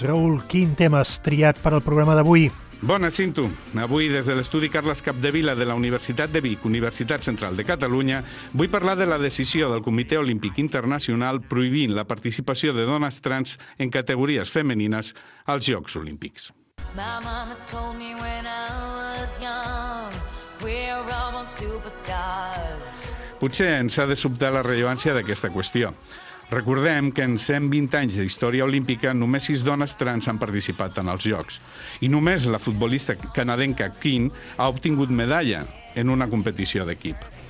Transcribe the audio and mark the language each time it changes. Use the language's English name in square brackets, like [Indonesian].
[Catalan] Raül, quin tema has triat per al programa d'avui? Bona, Cinto. Avui, des de l'estudi Carles Capdevila de la Universitat de Vic, Universitat Central de Catalunya, vull parlar de la decisió del Comitè Olímpic Internacional prohibint la participació de dones trans en categories femenines als Jocs Olímpics. [English] My mama told me when I was young, we're all on superstars. [Catalan] Potser ens ha de sobtar la rellevància d'aquesta qüestió. Recordem que en 120 anys d'història olímpica només 6 dones trans han participat en els Jocs. I només la futbolista canadenca Keane ha obtingut medalla en una competició d'equip.